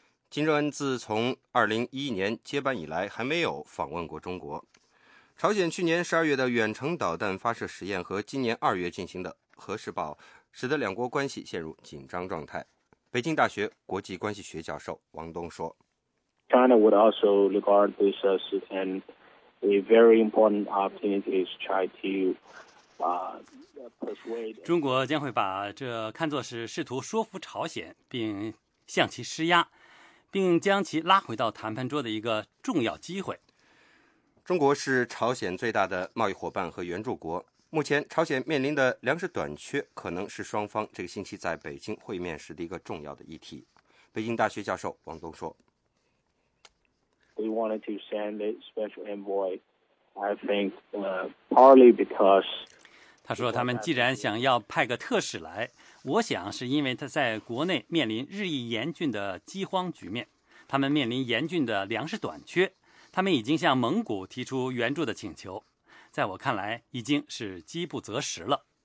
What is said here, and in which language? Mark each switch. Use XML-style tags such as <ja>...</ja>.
<zh>金正恩自从2011年接班以来还没有访问过中国。朝鲜去年12月的远程导弹发射实验和今年2月进行的核试爆使得两国关系陷入紧张状态。北京大学国际关系学教授王东说，</zh> <en>China would also regard this as a very important opportunity to try to persuade</en> <zh>中国将会把这看作是试图说服朝鲜并向其施压，并将其拉回到谈判桌的一个重要机会。中国是朝鲜最大的贸易伙伴和援助国，目前朝鲜面临的粮食短缺可能是双方这个星期在北京会面时的一个重要的议题。北京大学教授王东说，</zh> <en>We wanted to send a special envoy, I think, partly because</en> <zh>他说他们既然想要派个特使来，我想是因为他在国内面临日益严峻的饥荒局面，他们面临严峻的粮食短缺，他们已经向蒙古提出援助的请求，在我看来已经是饥不择食了。</zh>